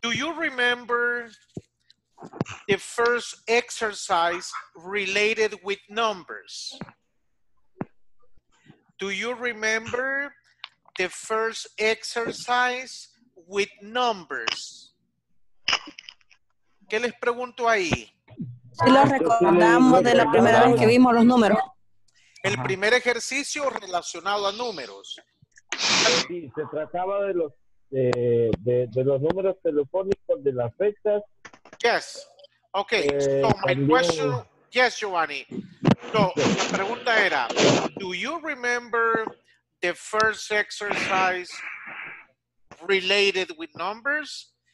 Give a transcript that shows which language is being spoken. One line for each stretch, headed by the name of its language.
English: Do you remember the first exercise related with numbers? Do you remember the first exercise with numbers?
Spanish: ¿Qué les pregunto ahí? Sí, lo recordamos de la primera vez que vimos los números. El primer ejercicio relacionado a números. Sí, se trataba de los de los números telefónicos, de las fechas.
English: Yes. Okay. So my
Spanish: también...
English: question. Yes, Giovanni. So
Spanish: la pregunta era,
English: do you remember the first exercise related with numbers?